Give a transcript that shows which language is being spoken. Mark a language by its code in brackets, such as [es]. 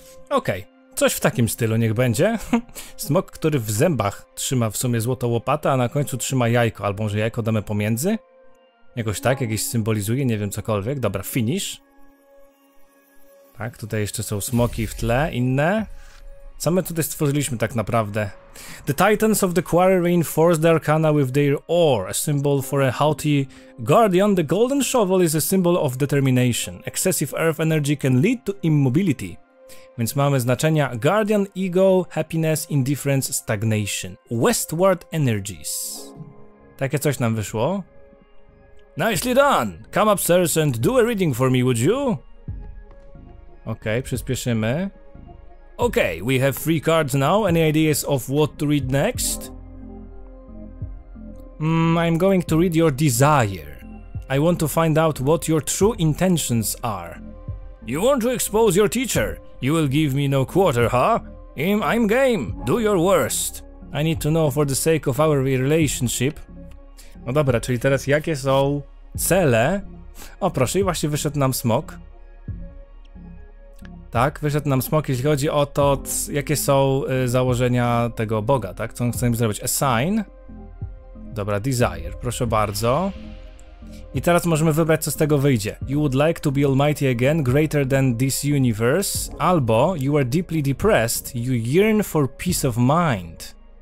[pl] Okej. Okay. Coś w takim stylu niech będzie. Smok, który w zębach trzyma w sumie złotą łopatę, a na końcu trzyma jajko. Albo może jajko damy pomiędzy? Jakoś tak, jakieś symbolizuje, nie wiem, cokolwiek. Dobra, finish. Tak, tutaj jeszcze są smoki w tle, inne. Co my tutaj stworzyliśmy tak naprawdę? [en] The titans of the quarry reinforce the arcana with their ore, a symbol for a haughty guardian. The golden shovel is a symbol of determination. Excessive earth energy can lead to immobility. [pl] Więc mamy znaczenia [en] Guardian, Ego, Happiness, Indifference, Stagnation. [pl] Westward Energies. Takie coś nam wyszło. [en] Nicely done! Come upstairs and do a reading for me, would you? [pl] Okej, przyspieszymy. [en] Okej, we have three cards now. Any ideas of what to read next? I'm going to read your desire. I want to find out what your true intentions are. You want to expose your teacher? You will give me no quarter, huh? I'm game. Do your worst. I need to know for the sake of our relationship. [pl] No dobra, czyli teraz jakie są cele? O, proszę, i właśnie wyszedł nam smok. Tak, wyszedł nam smok, jeśli chodzi o to, jakie są założenia tego boga, tak? Co on chce im zrobić? Assign. Dobra, desire. Proszę bardzo. I teraz możemy wybrać, co z tego wyjdzie. [en] You would like to be almighty again, greater than this universe. [pl] Albo [en] you are deeply depressed, you yearn for peace of mind.